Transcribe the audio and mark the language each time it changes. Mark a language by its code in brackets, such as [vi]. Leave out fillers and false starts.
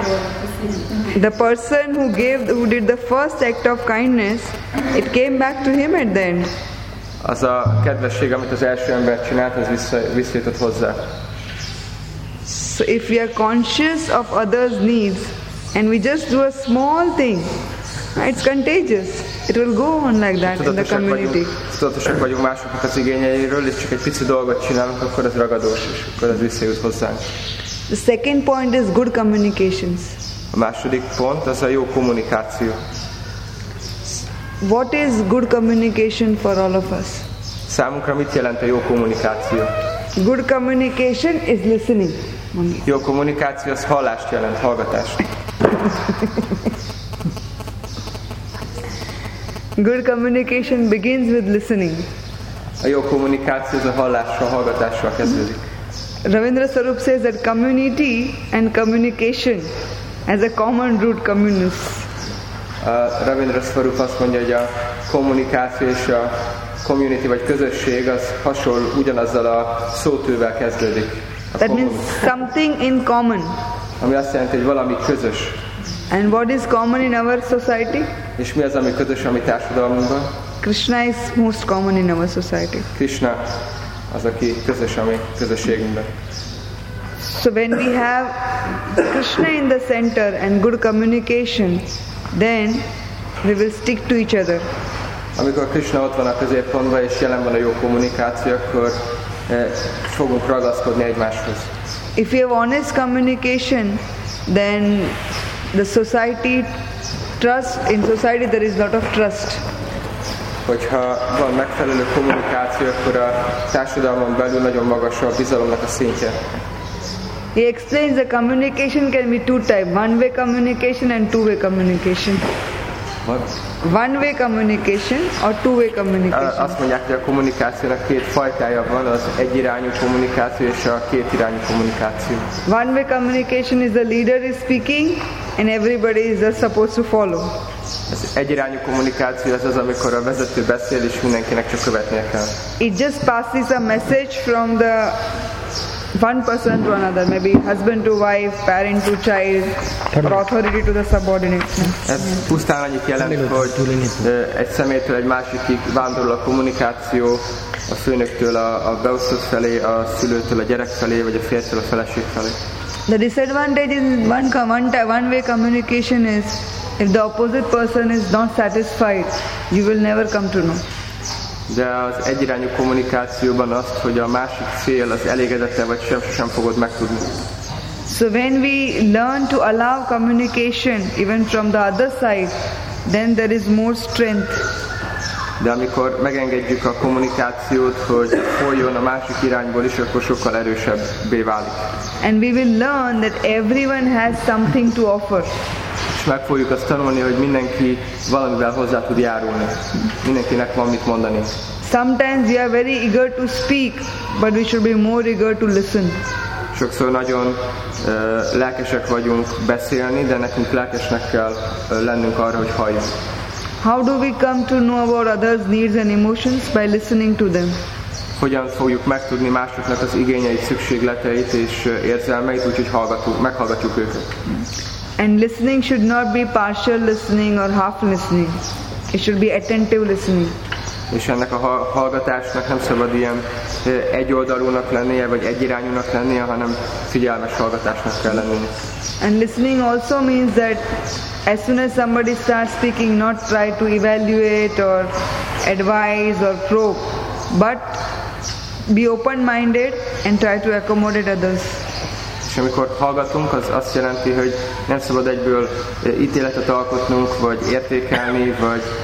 [en] The person who gave, who did the first act of kindness, it came back to him at the end. [hu] Az a kedvesség, amit az első ember csinált, az visszajutott hozzá. [en] So if we are conscious of others' needs and we just do a small thing, it's contagious. It will go on like that in the community. [hu] Tudatosak vagyunk másoknak az igényeiről, és csak egy pici dolgot csinálunk, akkor az ragadós, és akkor az visszajut hozzánk. [en] The second point is good communications. [hu] A második pont az a jó kommunikáció. [en] What is good communication for all of us? [hu] Számunkra mit jelent a jó kommunikáció? [en] Good communication is listening. [hu] Jó kommunikáció az hallást jelent, hallgatást. [en] Good communication begins with listening. [hu] A jó kommunikáció az a hallásra, hallgatásra kezdődik. [en] Ravindra Sarup says that community and communication as a common root communis. [hu] Ravindra Swarup azt mondja, hogy a kommunikáció és a community vagy közösség az hasonló, ugyanazzal a szótővel kezdődik. [en] A that means something in common. [hu] Ami azt jelenti, hogy valami közös. [en] And what is common in our society? [hu] És mi az, ami közös a mi társadalmunkban? [en] Krishna is most common in our society. [hu] Krishna az, aki közös a mi közösségünkben. [en] So when we have Krishna in the center and good communication, then we will stick to each other. [hu] Amikor Krishna ott van a középpontban és jelen van a jó kommunikáció, akkor fogunk ragaszkodni egymáshoz. [en] If you have honest communication, then the society trust, in society there is lot of trust. [hu] Hogyha van megfelelő kommunikáció, akkor a társadalmon belül nagyon magas a bizalomnak a szintje. [en] He explains the communication can be two type, one-way communication and two-way communication. What? One-way communication or two-way communication. [hu] Azt mondják, hogy a kommunikációnak két fajtája van, az egyirányú kommunikáció és a kétirányú kommunikáció. [en] One-way communication is the leader is speaking and everybody is just supposed to follow. [hu] Ez egyirányú kommunikáció az, amikor a vezető beszél és mindenkinek csak követnie kell. [en] It just passes a message from the one person to another, maybe husband to wife, parent to child, or authority to the subordinate. [hu] Ez pusztán annyit jelent, hogy egy személytől egy másikig vándorol a kommunikáció, a főnöktől a beosztott felé, a szülőtől a gyerek felé, vagy a férjtől a feleség felé. [en] The disadvantage in one-way communication is, if the opposite person is not satisfied, you will never come to know. [hu] De az egyirányú kommunikációban azt, hogy a másik fél az elégedette vagy sem fogod megtudni. [en] So when we learn to allow communication even from the other side, then there is more strength. [hu] De amikor megengedjük a kommunikációt, hogy folyjon a másik irányból is, akkor sokkal erősebbé válik. [en] And we will learn that everyone has something to offer. [hu] És meg fogjuk azt tanulni, hogy mindenki valamivel hozzá tud járulni. Mindenkinek van mit mondani. [en] Sometimes we are very eager to speak, but we should be more eager to listen. [hu] Sokszor nagyon lelkesek vagyunk beszélni, de nekünk lelkesnek kell lennünk arra, hogy halljunk. [en] How do we come to know about others' needs and emotions? By listening to them. [hu] Hogyan fogjuk megtudni másoknak az igényeit, szükségleteit és érzelmeit, úgyhogy meghallgatjuk őket. [en] And listening should not be partial listening or half listening. It should be attentive listening. [hu] És ennek a hallgatásnak nem szabad ilyen egyoldalúnak lennie, vagy egyirányúnak lennie, hanem figyelmes hallgatásnak kell lennie. [en] And listening also means that as soon as somebody starts speaking, not try to evaluate or advise or probe, but be open-minded and try to accommodate others. [hu] És amikor hallgatunk, az azt jelenti, hogy nem szabad egyből ítéletet alkotnunk, vagy értékelni, vagy